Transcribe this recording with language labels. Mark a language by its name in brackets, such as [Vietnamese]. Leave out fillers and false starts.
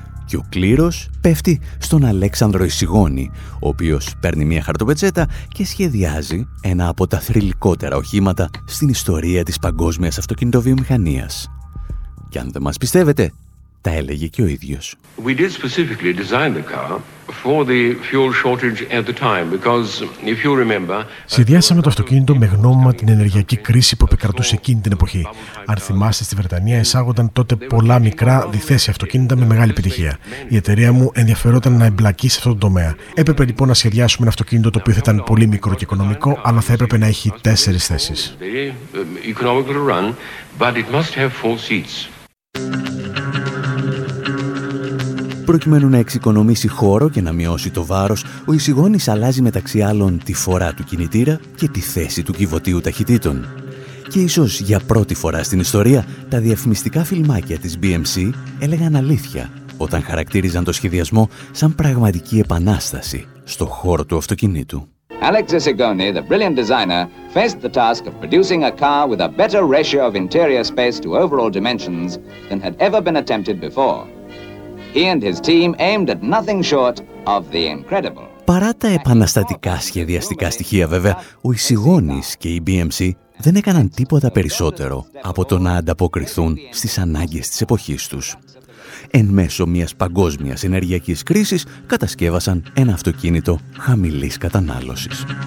[Greek] Και ο κλήρος πέφτει στον Αλέξανδρο Ισηγόνη, ο οποίος παίρνει μια χαρτοπετσέτα και σχεδιάζει ένα από τα θρυλικότερα οχήματα στην ιστορία της παγκόσμιας αυτοκινητοβιομηχανίας. Και αν δεν μας πιστεύετε, τα έλεγε και ο ίδιος. [English] We did specifically design the car for the fuel shortage at the time because if you remember. [Greek] Σχεδιάσαμε το αυτοκίνητο με γνώμημα την ενεργειακή κρίση που επικρατούσε εκείνη την εποχή. Αν θυμάστε, στη Βρετανία εισάγονταν τότε πολλά μικρά διθέσια αυτοκίνητα με μεγάλη επιτυχία. Η εταιρεία μου ενδιαφερόταν να εμπλακεί σε αυτό το τομέα. Έπρεπε λοιπόν να σχεδιάσουμε ένα αυτοκίνητο το οποίο θα ήταν πολύ μικρό και οικονομικό, αλλά θα έπρεπε να έχει 4 θέσεις. Προκειμένου να εξοικονομήσει χώρο και να μειώσει το βάρος, ο Ισηγόνης αλλάζει μεταξύ άλλων τη φορά του κινητήρα και τη θέση του κυβωτίου ταχυτήτων. Και ίσως για πρώτη φορά στην ιστορία, τα διαφημιστικά φιλμάκια της BMC έλεγαν αλήθεια όταν χαρακτήριζαν το σχεδιασμό σαν πραγματική επανάσταση στο χώρο του αυτοκινήτου. [English] Alex Ισηγόνη, the brilliant designer, faced the task of producing a car with a better ratio of interior space to overall dimensions than had ever been attempted before. He and his team aimed at nothing short of the incredible. [Greek] Παρά τα επαναστατικά σχεδιαστικά στοιχεία βέβαια, ο Ισηγόνης και η BMC δεν έκαναν τίποτα περισσότερο από το να ανταποκριθούν στις ανάγκες της εποχής τους. Εν μέσω μιας παγκόσμιας ενεργειακής κρίσης, κατασκεύασαν ένα αυτοκίνητο χαμηλής κατανάλωσης.